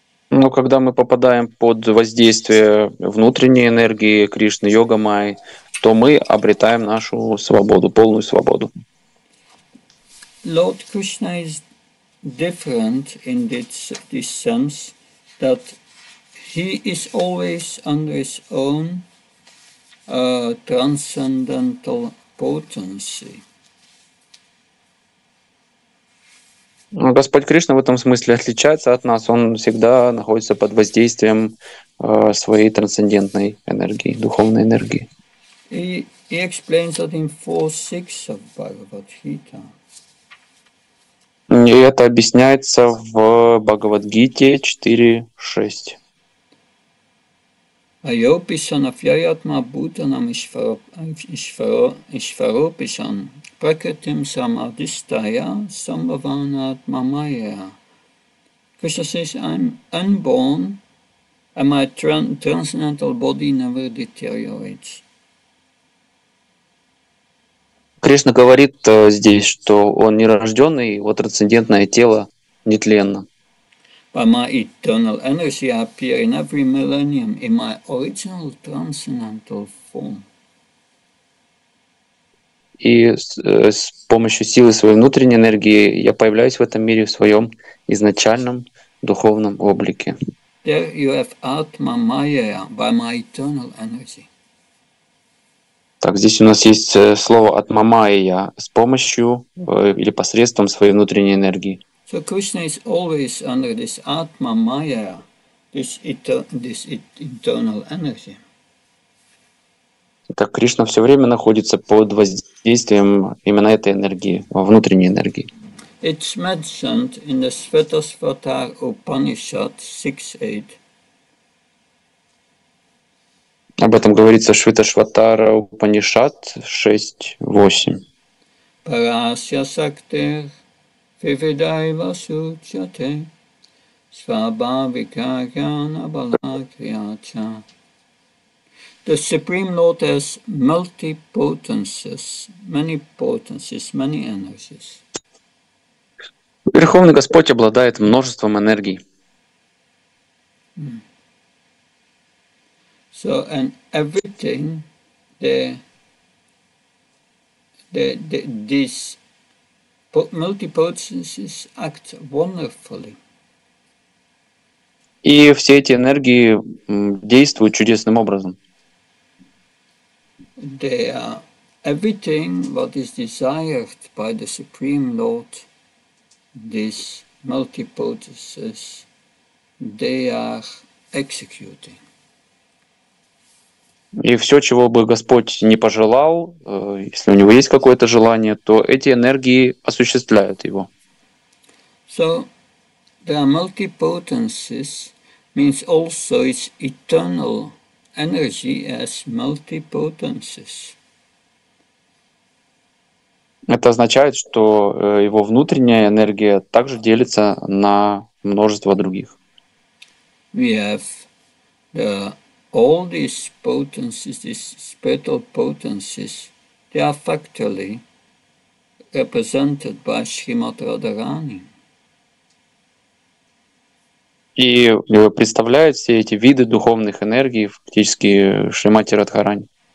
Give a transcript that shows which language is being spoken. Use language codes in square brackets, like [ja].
[ru] Но когда мы попадаем под воздействие внутренней энергии Кришны, йога майи, то мы обретаем нашу свободу, полную свободу. [en] Lord Krishna is different in this sense that he is always under his own transcendental potency. [ru] Но Господь Кришна в этом смысле отличается от нас. Он всегда находится под воздействием своей трансцендентной энергии, духовной энергии. [en] He explains that in 4.6 of Bhagavad Gita. [ru] И это объясняется в Бхагавад Гите 4.6. [sa] Айописан афьяятма бутанам ишфаропишан пракритим самадистая самбаванатма майя. [en] Krishna says, I'm unborn and my transcendental body never deteriorates. [ru] Кришна говорит здесь, что он нерожденный, его трансцендентное тело нетленно. [en] By my eternal energy, I appear in every millennium in my original transcendental form. [ru] И с помощью силы своей внутренней энергии я появляюсь в этом мире в своем изначальном духовном облике. [en] There you have Atma Maya by my eternal energy. [ru] Так, здесь у нас есть слово Atma Maya с помощью или посредством своей внутренней энергии. [en] So Krishna is always under this Atma Maya, this internal energy. [ru] Так Кришна все время находится под воздействием именно этой энергии, внутренней энергии. [en] It's mentioned in the Svetasvata Upanishad 6.8. [ru] Об этом говорится в Шветашватара Упанишад 6.8. [sa] Парасья сактер. Vividai vasuchate Svabhavikayana Balakriyacha. [en] The Supreme Lord has multi potencies, many energies. [ru] Верховный Господь обладает множеством энергий. [en] So and everything this multipotencies act wonderfully. [ru] И все эти энергии действуют чудесным образом. [en] They are everything what is desired by the Supreme Lord. These multipotencies, they are executing. [ru] И все, чего бы Господь не пожелал, если у него есть какое-то желание, то эти энергии осуществляют его. [en] So, there are multipotencies means also its eternal energy as multipotencies. [ru] Это означает, что его внутренняя энергия также делится на множество других. [en] We have the all these potencies, these spiritual potencies, they are factually represented by Srimati Radharani. [ru] И представляет все эти виды духовных энергий фактически Шримати Радхарани.